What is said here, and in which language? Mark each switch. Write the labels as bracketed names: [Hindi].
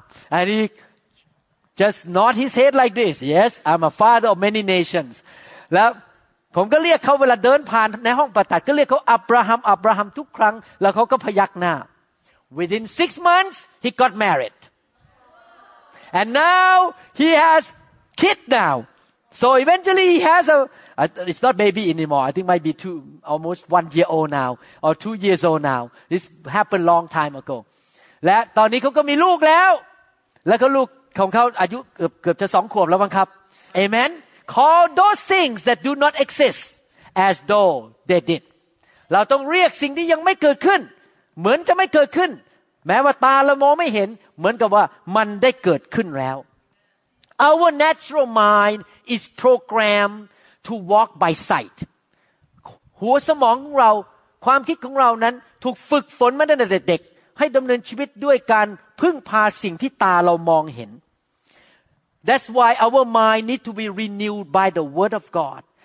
[English] And he just nod his head like this. Yes, I'm a father of many nations. [Thai] แล้วผมก็เรียกเขาเวลาเดินผ่านในห้องผ่าตัดก็เรียกเขาอับราฮัมทุกครั้งแล้วเขาก็พยักหน้า [English] Within 6 months, he got married. And now he has... Kid now, so eventually he has it's not baby anymore. I think might be almost 1 year old now or 2 years old now. This happened long time ago. [Thai] และตอนนี้เขาก็มีลูกแล้วแล้วก็ลูกของเขาอายุเกือบจะ2 ขวบแล้วมั้งครับ Amen. [English] Call those things that do not exist as though they did. [Thai] เราต้องเรียกสิ่งที่ยังไม่เกิดขึ้นเหมือนจะไม่เกิดขึ้นแม้ว่าตาเรามองไม่เห็นเหมือนกับว่ามันได้เกิดขึ้นแล้ว [English] Our natural mind is programmed to walk by sight. [Thai] หัวสมองของเราความคิดของเรานั้นถูกฝึกฝนมาตั้งแต่เด็กๆให้ดำเนินชีวิตด้วยการพึ่งพาสิ่งที่ตาเรามองเห็น [English] That's why our mind need to be renewed by the word of God.